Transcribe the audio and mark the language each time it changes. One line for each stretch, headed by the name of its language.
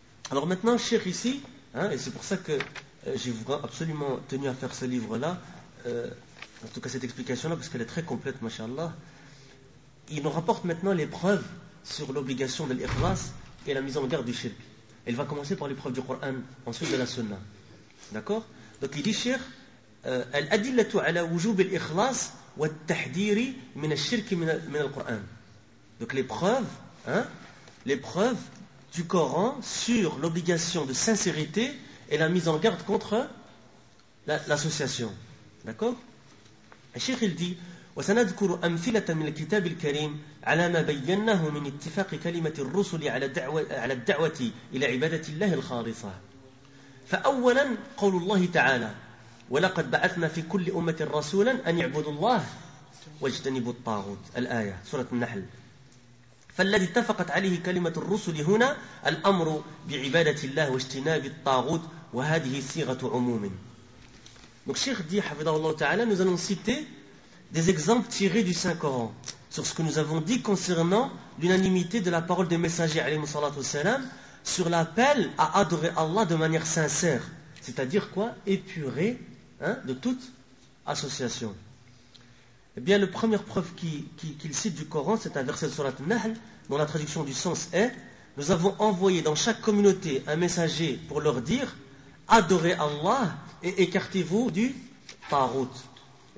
French: Alors maintenant, cher ici, hein, et c'est pour ça que j'ai absolument tenu à faire ce livre-là, en tout cas cette explication-là, parce qu'elle est très complète, mashallah. Il nous rapporte maintenant les preuves sur l'obligation de l'ikhlas et la mise en garde du shirk. Il va commencer par les preuves du Coran, ensuite de la sunnah. D'accord ?
Arabic: Donc il dit, cher, الأدلة على وجوب الإخلاص والتحذير من الشرك من القرآن.
French: Donc les preuves, hein, les preuves du Coran sur l'obligation de sincérité et la mise en garde contre l'association. D'accord?
Arabic: الشيخ il dit: وسنذكر أمثلة من الكتاب الكريم على ما بينه من اتفاق كلمة الرسل على الدعوة إلى عبادة الله الخالصة. فأولا قول الله تعالى ولقد بعثنا في كل أمة رسولا أن يعبدوا الله واجتنبوا الطاغوت الآية سورة النحل فالذي اتفقت عليه كلمة الرسل هنا الأمر بعبادة الله واجتناب الطاغوت وهذه صيغة عموم
French: donc Cheikh dit حفظه الله تعالى nous allons citer des exemples tirés du Saint Coran sur ce que nous avons dit concernant l'unanimité de la parole des messagers عليهم الصلاة والسلام sur l'appel à adorer Allah de manière sincère C'est-à-dire quoi? Épuré hein, de toute association. Eh bien, la première preuve qu'il cite du Coran, c'est un verset de Surat Nahl, dont la traduction du sens est « Nous avons envoyé dans chaque communauté un messager pour leur dire « Adorez Allah et écartez-vous du Tarout ».